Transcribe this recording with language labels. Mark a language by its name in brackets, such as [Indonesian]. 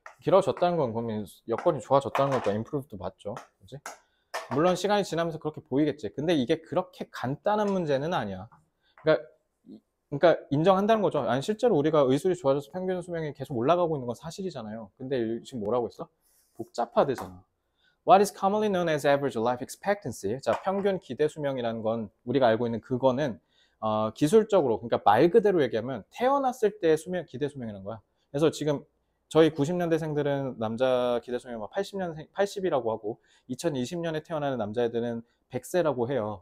[Korean] 길어졌다는 건 그러면 여건이 좋아졌다는 거니까 improved도 맞죠. 그치? 물론 시간이 지나면서 그렇게 보이겠지. 근데 이게 그렇게 간단한 문제는 아니야. 그러니까 인정한다는 거죠. 아니, 실제로 우리가 의술이 좋아져서 평균 수명이 계속 올라가고 있는 건 사실이잖아요. 근데 지금 뭐라고 했어? 복잡화되잖아. [English] What is commonly known as average life expectancy? [Korean] 자, 평균 기대 수명이라는 건 우리가 알고 있는 그거는 기술적으로, 그러니까 말 그대로 얘기하면 태어났을 때 수명, 기대 수명이라는 거야. 그래서 지금 저희 90년대생들은 남자 기대 수명이 막 80년생, 80이라고 하고 2020년에 태어나는 남자애들은 100세라고 해요.